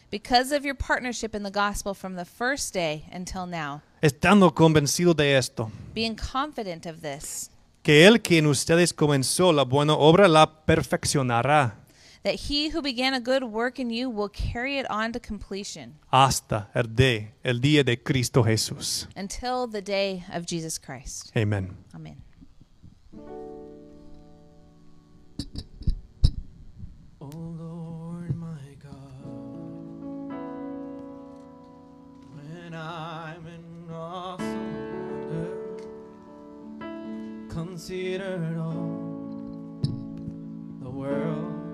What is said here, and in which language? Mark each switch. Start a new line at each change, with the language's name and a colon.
English: Because of your partnership in the gospel from the first day until now.
Spanish: Estando convencido de esto.
English: Being confident of this.
Spanish: Que el que en ustedes comenzó la buena obra la perfeccionará.
English: That he who began a good work in you will carry it on to completion.
Spanish: Hasta el día de Cristo Jesús.
English: Until the day of Jesus Christ. Amen. Amen. Oh Lord my God, when I'm in awesome wonder, consider it all the world.